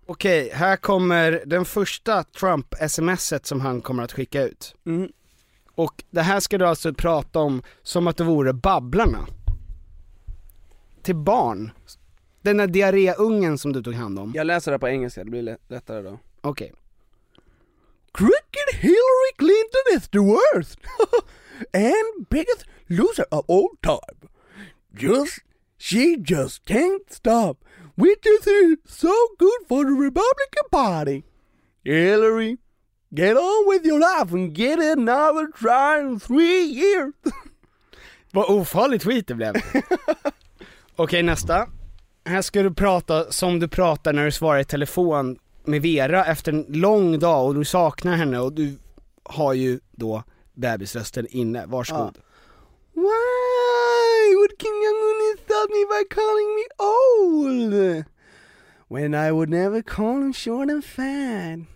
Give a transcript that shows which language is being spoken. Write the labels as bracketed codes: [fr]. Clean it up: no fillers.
[sv] Okej, här kommer den första Trump-smset som han kommer att skicka ut. Mm. Och det här ska du alltså prata om som att det vore babblarna. Till barn. Den där diarréungen som du tog hand om. Jag läser det på engelska, det blir lättare då. Okej. [en] Crooked Hillary Clinton is the worst and biggest loser of all time. She just can't stop. Which is so good for the Republican Party. Hillary, get on with your life and get another try in 3 years. [sv] Vad ofarlig tweet det blev. Okej, nästa. Här ska du prata som du pratar när du svarar i telefon med Vera efter en lång dag och du saknar henne och du har ju då bebisrösten inne. Varsågod. [en] Why would King Yanguni stop me by calling me old? When I would never call him short and fat.